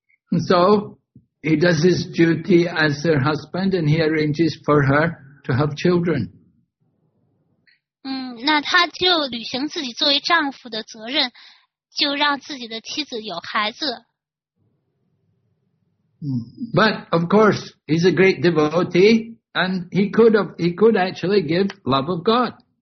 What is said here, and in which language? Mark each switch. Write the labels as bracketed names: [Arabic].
[English] And so he does his duty as her husband, and he arranges for her to have children. [Chinese] 那他就履行自己作为丈夫的责任，就让自己的妻子有孩子。 [English] But of course, he's a great devotee, and he could actually give love of God.